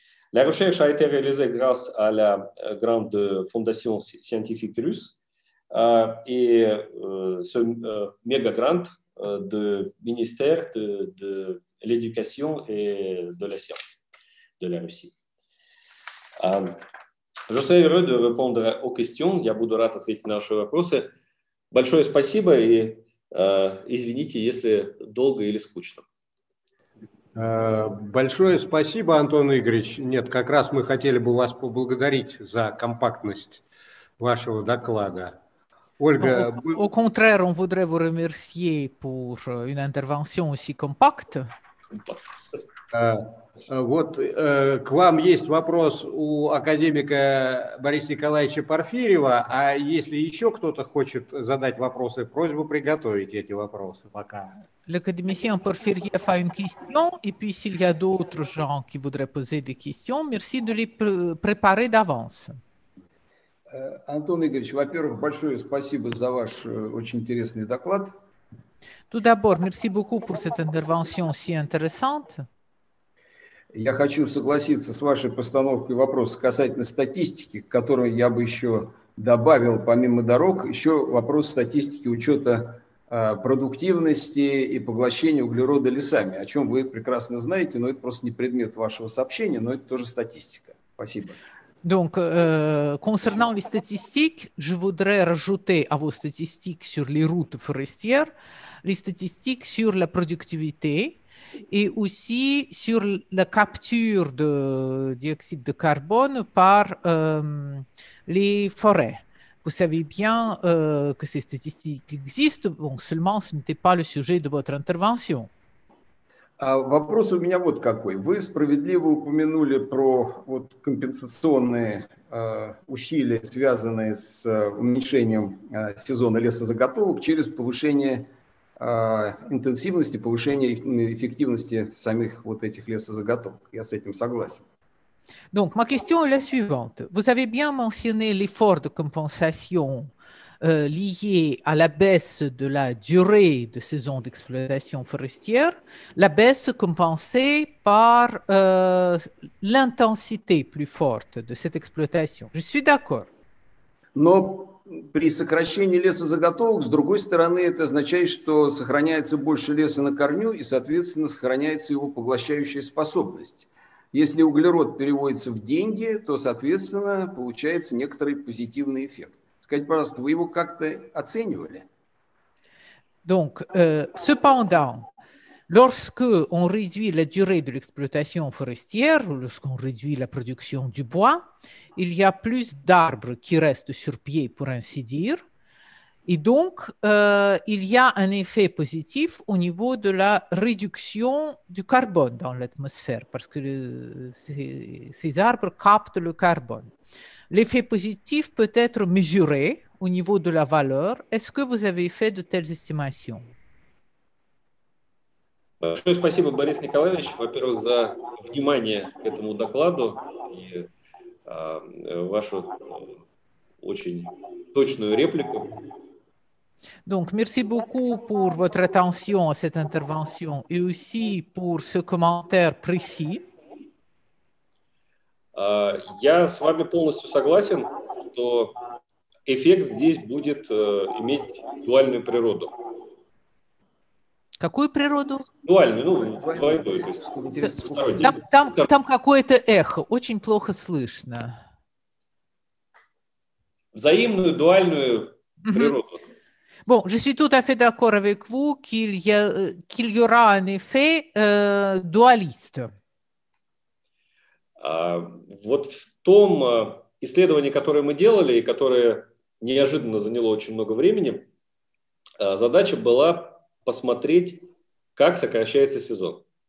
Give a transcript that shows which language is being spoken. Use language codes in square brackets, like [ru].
[fr] La recherche a été réalisée grâce à la grande fondation scientifique russe et ce méga-grant de ministère de l'éducation et de la science de la Russie. Je serai heureux de répondre aux questions. [ru] Я буду рад ответить на ваши вопросы. Большое спасибо и извините, если долго или скучно. Большое спасибо, Антон Игоревич. Нет, как раз мы хотели бы вас поблагодарить за компактность вашего доклада. [fr] Ольга, au contraire, on voudrait vous remercier pour une intervention aussi compacte. [ru] Вот к вам есть вопрос у академика Бориса Николаевича Порфирьева, а если еще кто-то хочет задать вопросы, просьба приготовить эти вопросы пока. [fr] L'académicien Porfiriev a une question, et puis s'il y a d'autres gens qui voudraient poser des questions, merci de les préparer d'avance. [ru] Антон Игоревич, во-первых, большое спасибо за ваш очень интересный доклад. [fr] Tout d'abord, merci beaucoup pour cette intervention si intéressante. [ru] Я хочу согласиться с вашей постановкой вопроса касательно статистики, к которой я бы еще добавил, помимо дорог, еще вопрос статистики учета продуктивности и поглощения углерода лесами, о чем вы прекрасно знаете, но это просто не предмет вашего сообщения, но это тоже статистика. Спасибо. [fr] Donc, concernant les statistiques, je voudrais rajouter à vos statistiques sur les routes forestières, les statistiques sur la productivité et aussi sur la capture de dioxyde de carbone par les forêts. Vous savez bien que ces statistiques existent, bon, seulement ce n'était pas le sujet de votre intervention. [ru] Вопрос у меня вот какой. Вы справедливо упомянули про вот компенсационные усилия, связанные с уменьшением сезона лесозаготовок через повышение интенсивности, повышение эффективности самих вот этих лесозаготовок. Я с этим согласен. [fr] Donc, ma question est la suivante. Vous avez bien mentionné l'effort de compensation lié à la baisse de la durée de saison d'exploitation forestière, la baisse compensée par l'intensité plus forte de cette exploitation. Je suis d'accord. [ru] Но при сокращении лесозаготовок, с другой стороны, это означает, что сохраняется больше леса на корню и, соответственно, сохраняется его поглощающая способность. Если углерод переводится в деньги, то, соответственно, получается некоторый позитивный эффект. Скажите, пожалуйста, вы его как-то оценивали? [fr] Donc, cependant, lorsque on réduit la durée de l'exploitation forestière, lorsqu'on réduit la production du bois, il y a plus d'arbres qui restent sur pied, pour ainsi dire, et donc il y a un effet positif au niveau de la réduction du carbone dans l'atmosphère, parce que ces arbres captent le carbone. L'effet positif peut être mesuré au niveau de la valeur. Est-ce que vous avez fait de telles estimations? [ru] Большое спасибо, Борис Николаевич, во-первых, за внимание к этому докладу и вашу очень точную реплику. [fr] Donc, merci beaucoup pour votre attention à cette intervention et aussi pour ce commentaire précis. [ru] Я с вами полностью согласен, что эффект здесь будет иметь дуальную природу. Какую природу? Дуальную, ну, двойную. То есть, там какое-то эхо, очень плохо слышно. Взаимную дуальную природу. [fr] Bon, je suis tout à fait d'accord avec vous qu'il y aura un effet dualiste. [ru] Вот в том исследовании, которое мы делали, и которое неожиданно заняло очень много времени, задача была посмотреть, как сокращается сезон.